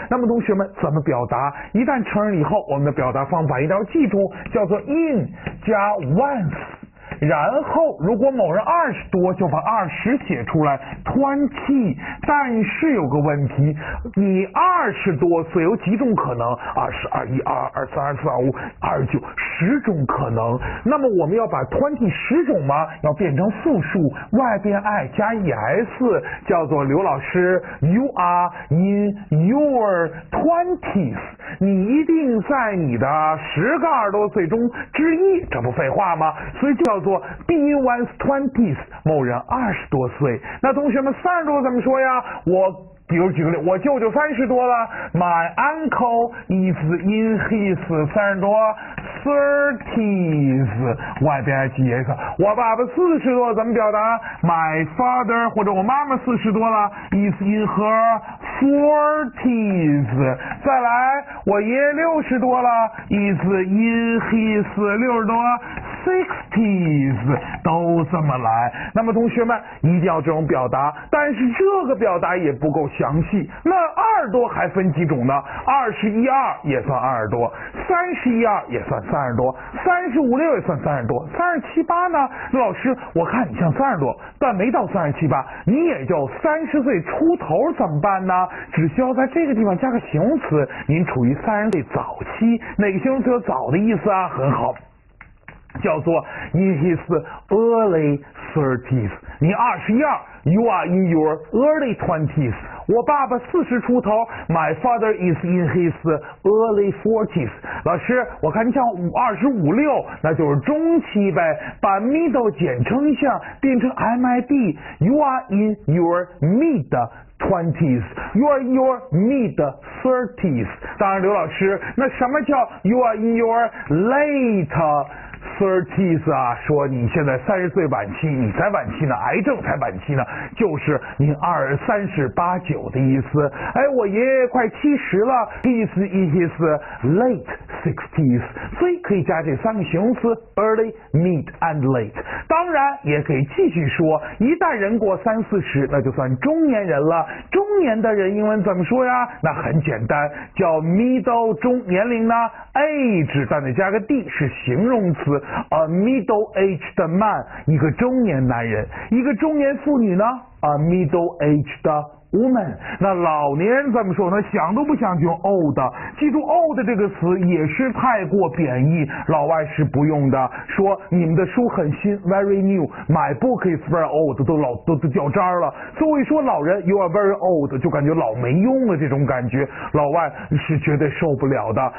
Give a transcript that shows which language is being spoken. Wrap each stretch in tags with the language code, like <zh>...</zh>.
<zh>那么同学们怎么表达？一旦成人以后，我们的表达方法一定要记住，叫做 in 加once， 然后如果某人二十多，就把二十写出来 twenty。但是有个问题，你二十多岁有几种可能？二十二一二二三二四二五二九，十种可能。那么我们要把 twenty 十种吗？要变成复数，外边 i 加 es， 叫做刘老师 ，</zh> <en>you are in your twenties。</en> <zh>你一定在你的十个二十多岁中之一，这不废话吗？所以就叫做</zh> <en>be in one's twenties，</en> <zh>某人二十多岁。那同学们三十多怎么说呀？我比如举个例，我舅舅三十多了，</zh> <en>my uncle is in his</en> <zh>三十多</zh> <en>thirties，</en> <zh>外边几个字，我爸爸四十多怎么表达？</zh> <en>my father</en> <zh>或者我妈妈四十多了，</zh> <en>is in her forties。</en> <zh>再来，我爷爷六十多了，</zh> <en>is in his</en> <zh>六十多</zh> <en>sixties，</en> <zh>都这么来。那么同学们一定要这种表达，但是这个表达也不够详细。那二多还分几种呢？二十一二也算二十多，三十一二也算三十多，三十五六也算三十多，三十七八呢？那老师，我看你像三十多，但没到三十七八，你也就三十岁出头，怎么办呢？只需要在这个地方加个形容词，您处于三十岁早期。哪个形容词有早的意思啊？很好。叫做</zh> <en>in his early thirties，</en> <zh>你二十一二</zh> <en>，you are in your early twenties。</en> <zh>我爸爸四十出头</zh> <en>，my father is in his early forties。</en> <zh>老师，我看你像二十五六，那就是中期呗，把 middle 简称一下，变成 mid，</zh> <en>you are in your mid。 Twenties, you are in your mid thirties.</en> <zh>当然，刘老师，那什么叫</zh> <en>you are in your late thirties</en> <zh>啊？说你现在三十岁晚期，你才晚期呢，癌症才晚期呢，就是你二三十八九的意思。哎，我爷爷快七十了</zh> <en>，he is in his late sixties.</en> <zh>所以可以加这三个形容词</zh> <en>early, mid, and late。</en> <zh>当然，也可以继续说，一旦人过三四十，那就算中年人了。中年的人英文怎么说呀？那很简单，叫 middle 中年龄呢 age， 但得加个 d， 是形容词</zh> <en>a middle aged man，</en> <zh>一个中年男人。一个中年妇女呢</zh> <en>a middle aged woman。</en> <zh>那老年人怎么说呢？想都不想就 old。记住 old 这个词也是太过贬义，老外是不用的，说你们的书很新</zh> <en>very new， my book is very old，</en> <zh>都掉渣了。所以说老人</zh> <en>you are very old，</en> <zh>就感觉老没用了，这种感觉老外是绝对受不了的。</zh>